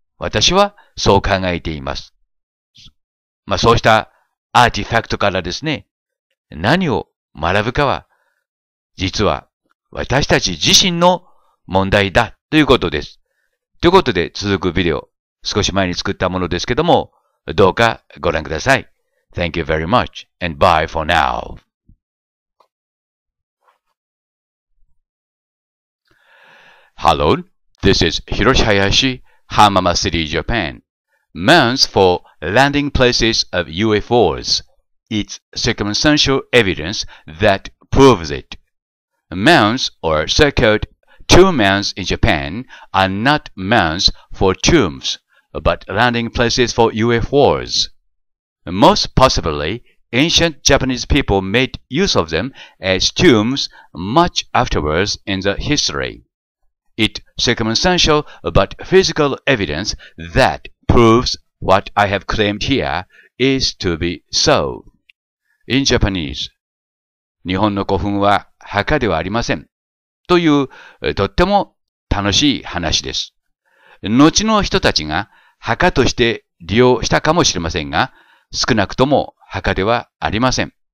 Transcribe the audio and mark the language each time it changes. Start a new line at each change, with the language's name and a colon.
Japanese: 私はそう考えています。まあそうしたアーティファクトからですね、何を学ぶかは、実は私たち自身の問題だということです。ということで続くビデオ、少し前に作ったものですけども、どうかご覧ください。
English: Thank you very much and bye for now. Hello, this is Hiroshi Hayashi, Hamama City, Japan. Mounts for landing places of UFOs. It's circumstantial evidence that proves it. Mounts or so-called tomb mounts in Japan are not mounts for tombs, but landing places for UFOs. Most possibly, ancient Japanese people made use of them as tombs much afterwards in the history. It's circumstantial but physical evidence that proves what I have claimed here is to be so. In Japanese,
Japanese: 日本の古墳は墓ではありません。というとっても楽しい話です。後の人たちが墓として利用したかもしれませんが、少なくとも墓ではありません。